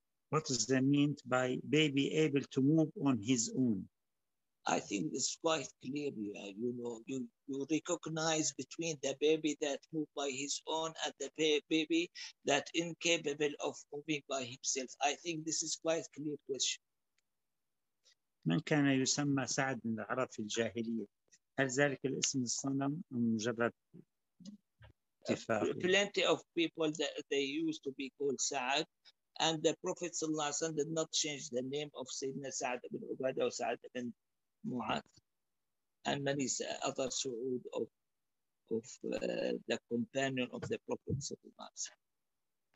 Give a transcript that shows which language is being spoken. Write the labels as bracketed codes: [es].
[en] What is the meant by baby able to move on his own? I think it's quite clear. You know, you recognize between the baby that move by his own and the baby that incapable of moving by himself. I think this is quite clear question. [ar] من كان يسمى سعد من العرب في الجاهلية؟ هل ذلك الاسم الصنم أم مجرد اتفاق؟ [en] Plenty of people that they used to be called Sa'd. And the Prophet [ar] صلى الله عليه وسلم [en] did not change the name of سيدنا سعد بن عبادة أو سعد بن معاذ and many other su'ud of the companion of the Prophet صلى الله عليه وسلم.